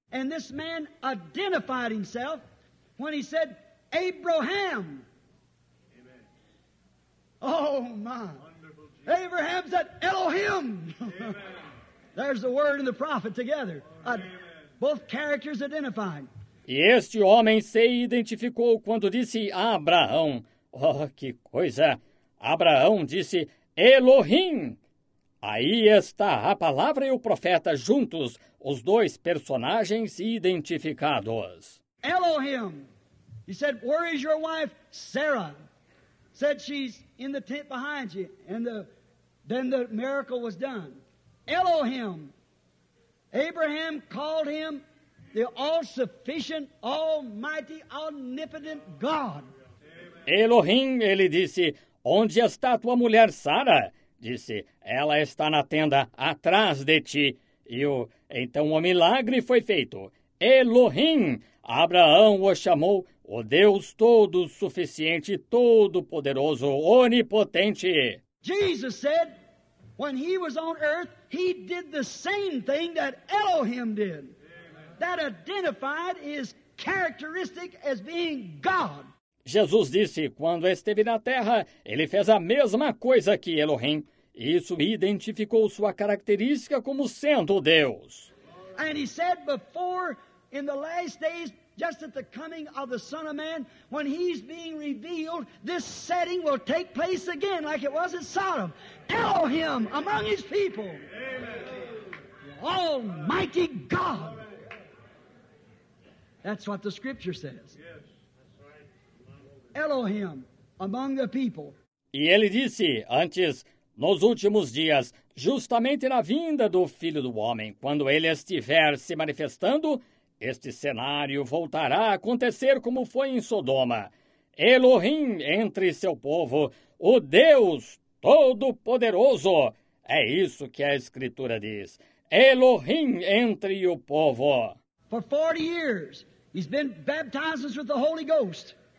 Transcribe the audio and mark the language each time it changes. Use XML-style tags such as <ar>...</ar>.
<en>And this man identified himself when he said, Abraham. Amen. Oh, my. Abraham said, Elohim. Amen. There's the word and the prophet together. Both characters identified.</en> <pt>E este homem se identificou quando disse Abraão. Oh, que coisa! Abraão disse Elohim. Aí está a palavra e o profeta juntos, os dois personagens identificados.</pt> <en>Elohim. He said, "Where is your wife, Sarah?" Said, "She's in the tent behind you." And then the miracle was done. Elohim. Abraham called him the all-sufficient, almighty, omnipotent God.</en> <pt>Elohim, ele disse, "Onde está tua mulher, Sara?" Disse, "Ela está na tenda, atrás de ti." Então o milagre foi feito. Elohim, Abraão o chamou, o Deus Todo-Suficiente, Todo-Poderoso, Onipotente.</pt> <en>Jesus said, when he was on earth, he did the same thing that Elohim did. That identified his characteristic as being God.</en> <pt>Jesus disse, quando esteve na terra, ele fez a mesma coisa que Elohim. Isso identificou sua característica como sendo Deus.</pt> <en>And he said before, in the last days, just at the coming of the Son of Man, when he's being revealed, this setting will take place again like it was in Sodom. Elohim among his people. Amen. Almighty God. That's what the scripture says. Elohim among the people.</en> <pt>E ele disse antes, nos últimos dias, justamente na vinda do Filho do Homem, quando ele estiver se manifestando, este cenário voltará a acontecer como foi em Sodoma. Elohim entre seu povo, o Deus Todo-Poderoso. É isso que a Escritura diz. Elohim entre o povo.</pt> <en>For 40 years, he's been baptized with the Holy Ghost.</en>